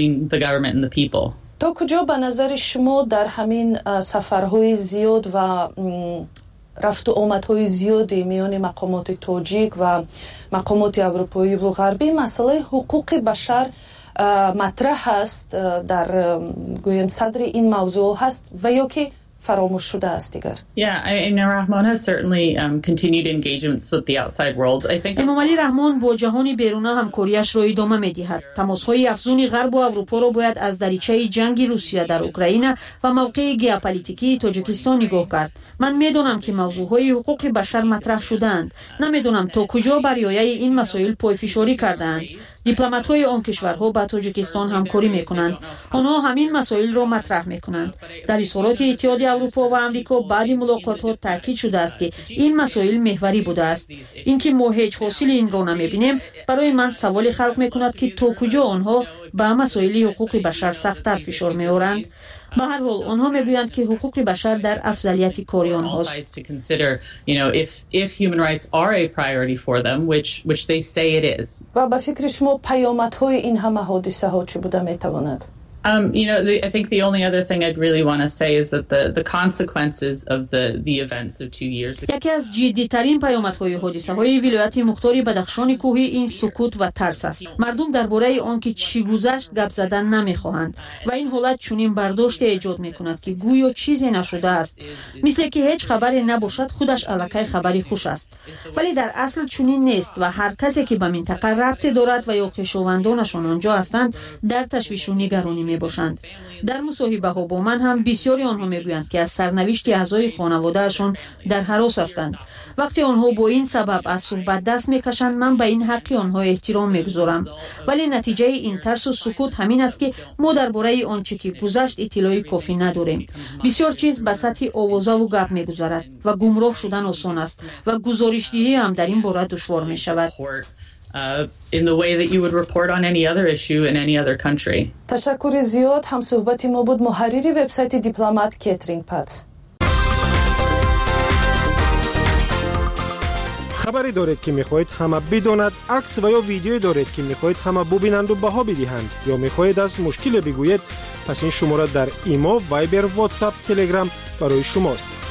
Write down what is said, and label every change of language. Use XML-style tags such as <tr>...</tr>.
<fa>تا کجا به نظر شما در همین سفرهای زیاد و رفت و آمدهای زیاد میان مقامات تاجیک و مقامات اروپایی و غربی مسئله حقوق بشر مطرح هست در گویم صدر این موضوع هست و یا که فراموش شده است دیگر.</fa> <en>Rahmon has certainly continued engagements with the outside world. I think</en> <fa>امام علی رحمان با جهان بیرون همکاریش را ادامه می‌دهد. تماس‌های افزون غرب و اروپا را باید از دریچه جنگ روسیه در اوکراین و موقع گیاپولیتیکی تاجیکستان نگاه کرد. من می‌دونم که موضوع‌های حقوق بشر مطرح شده‌اند. نمی‌دونم تا کجا برای این مسائل پایفشاری کرده‌اند. دیپلمات‌های آن کشورها با تاجیکستان همکاری می‌کنند. آنها همین مسائل را مطرح می‌کنند. در صورت اتحاد اروپا و آمریکا بعد ملاقات ها تاکید شده است که این مسائل محوری بوده است. اینکه ما هیچ حاصل این را نمی‌بینیم برای من سوالی خلق می‌کند که تا کجا آنها به مسائل حقوق بشر سخت‌تر فشار می‌آورند. به هر حال آنها میگویند که حقوق بشر در افضلیت کاری آنهاست.</fa> <en>If human rights are a priority for them, which they say it is.</en> <fa>و به فکر شما پیامدهای این همه حادثه ها چی بوده میتواند؟</fa> <en>I think the only other thing I'd really want to say is that the consequences of the events of 2 years ago.</en> <fa>یکی از جدی‌ترین پیامدهای حادثه‌های ولایت مختار بدخشان کوهی این سکوت و ترس است. مردم درباره آنکه چی گذشت گپ زدن نمی‌خواهند و این حالت چنین برداشت ایجاد می‌کند که گویو چیزی نشده است. مثل که هیچ خبری نباشد خودش الکی خبری خوش است. ولی در اصل چنین نیست و هر کسی که به منطقه ربطی دارد و یا خویشاوندانشان آنجا هستند در تشویش و نگرانی می باشند. در مصاحبه ها با من هم بسیاری آنها می گویند که از سرنوشت اعضای خانواده اشون در هراس هستند. وقتی آنها با این سبب از صحبت دست می کشند من به این حق آنها احترام می گذارم. ولی نتیجه این ترس و سکوت همین است که ما درباره آنچه که گذشت اطلاع کافی نداریم. بسیار چیز به سطح آوازه و گپ می گذارد و گمراه شدن آسان است و گزارش دهی هم در این باره دشوار می شود.</fa> <en>In the way that you would report on any other issue in any other country.</en> <fa>تشکر زیاد هم صحبت ما بود محرری وبسایت دیپلمات کترین پات. خبری دارید که میخواهید همه بدانند، عکس و یا ویدیویی دارید که میخواهید همه ببینند و بها بدهند یا میخواهید از مشکل بگویید، پس این شماره در ایمو، وایبر، واتساپ، تلگرام برای شماست.</fa>